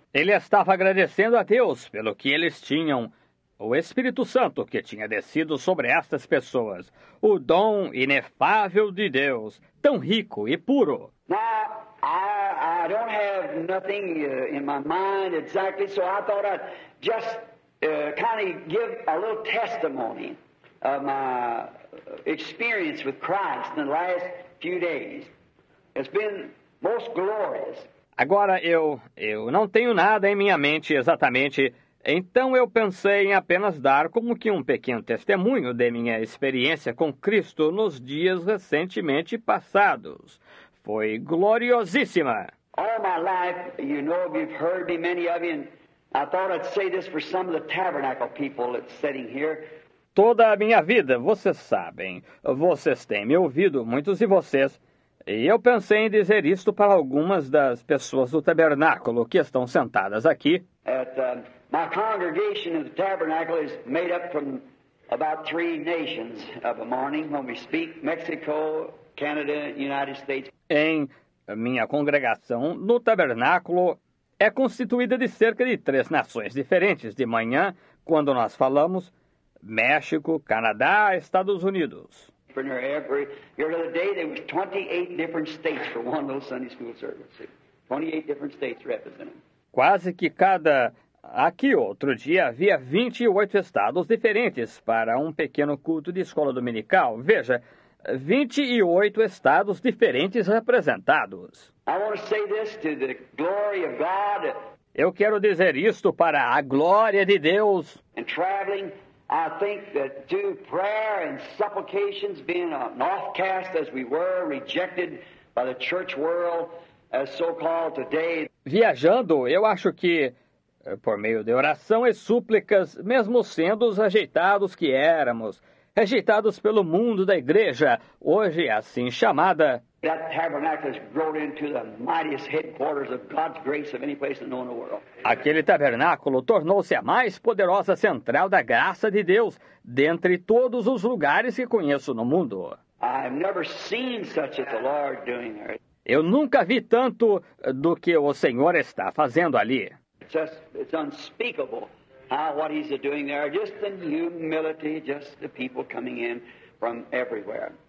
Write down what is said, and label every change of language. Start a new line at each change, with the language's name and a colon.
Portuguese: Ele estava agradecendo a Deus pelo que eles tinham, o Espírito Santo que tinha descido sobre estas pessoas, o dom inefável de Deus, tão rico e puro.
English: Now, I don't have nothing in my mind exactly, so I thought I'd just kind of give a little testimony of my experience with Christ in the last few days. It's been most glorious.
Portuguese: Agora, eu não tenho nada em minha mente exatamente, então eu pensei em apenas dar como que um pequeno testemunho de minha experiência com Cristo nos dias recentemente passados. Foi gloriosíssima!
English: All my life, you know, you've heard me, many of you, and I thought I'd say this for some of the tabernacle people that's sitting here.
Portuguese: Toda a minha vida, vocês sabem, vocês têm me ouvido, muitos de vocês, e eu pensei em dizer isto para algumas das pessoas do tabernáculo que estão sentadas aqui.
English: My congregation of the tabernacle is made up from about three nations of a morning when we speak, Mexico, Canada, United States.
Portuguese: Em minha congregação no tabernáculo é constituída de cerca de três nações diferentes de manhã quando nós falamos, México, Canadá, Estados Unidos.
English: Your other day there was 28 different states for one little Sunday school service. 28 different states represented.
Portuguese: Quase que cada aqui outro dia havia 28 estados diferentes para um pequeno culto de escola dominical. Veja, 28 estados diferentes representados.
English: I want to say this to the glory of God.
Portuguese: Eu quero dizer isto para a glória de Deus.
English: And traveling, I think that through prayer and supplications, being an offcast as we were, rejected by the church world as so-called today.
Portuguese: Viajando, eu acho que por meio de oração e súplicas, mesmo sendo os rejeitados que éramos, rejeitados pelo mundo da igreja, hoje assim chamada.
English: That tabernacle has grown into the mightiest headquarters of God's grace of any place known in the world.
Portuguese: Aquele tabernáculo tornou-se a mais poderosa central da graça de Deus dentre todos os lugares que conheço no mundo.
English: I've never seen such as the Lord doing there.
Portuguese: Eu nunca vi tanto do que o Senhor está fazendo ali.
English: It's unspeakable how what he's doing there, just the humility, just the people coming in from everywhere.